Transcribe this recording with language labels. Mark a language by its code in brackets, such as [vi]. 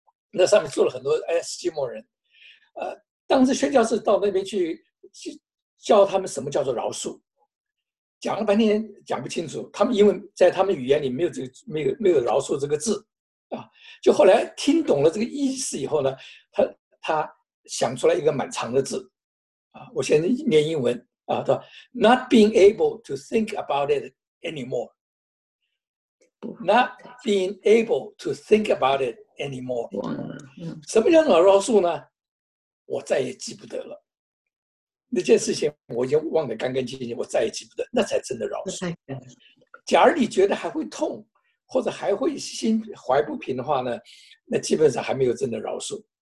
[zh] 那上面住了很多埃斯基摩人。当时宣教士到那边去教他们什么叫做饶恕，讲了半天讲不清楚。他们因为在他们语言里没有这个没有饶恕这个字啊，就后来听懂了这个意思以后呢，他想出来一个蛮长的字。我先念英文啊，他 [en] not being able to think about it anymore， not being able to think about it anymore。 [zh] 什么叫做饶恕呢？我再也记不得了，那件事情我已经忘得干干净净，我再也记不得，那才真的饶恕。假如你觉得还会痛，或者还会心怀不平的话呢，那基本上还没有真的饶恕。